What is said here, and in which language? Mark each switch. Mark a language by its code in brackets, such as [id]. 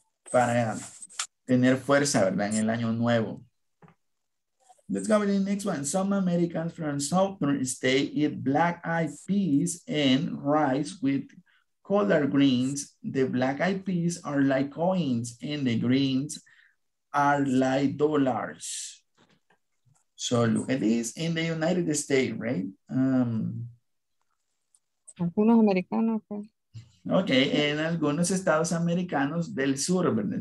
[es] Para tener fuerza, ¿verdad? En el año nuevo. [en] Let's go with the next one. Some Americans from southern states eat black-eyed peas and rice with collard greens. The black-eyed peas are like coins and the greens are like dollars. So look at this in the United States, right? [es] Algunos americanos. Okay, en algunos estados americanos del sur, ¿verdad?